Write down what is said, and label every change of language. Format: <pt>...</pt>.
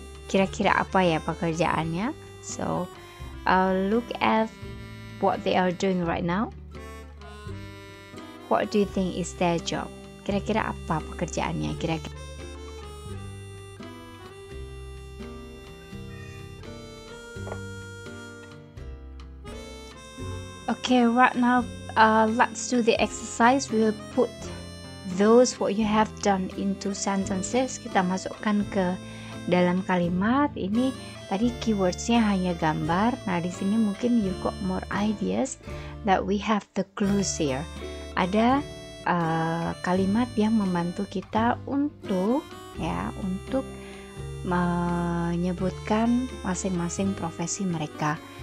<id>Kira-kira apa ya pekerjaannya?</id> <en>So, look at what they are doing right now. What do you think is their job?</en> <id>Kira-kira apa pekerjaannya? Kira-kira.</id> <en>Okay, right now, let's do the exercise. We'll put those what you have done into sentences.</en> <id>Kita masukkan ke dalam kalimat. Ini tadi keywordsnya hanya gambar. Nah, di sini mungkin</id> <en>you got more ideas that we have the clues here.</en> <id>Ada kalimat yang membantu kita untuk ya, untuk menyebutkan masing-masing profesi mereka.</id>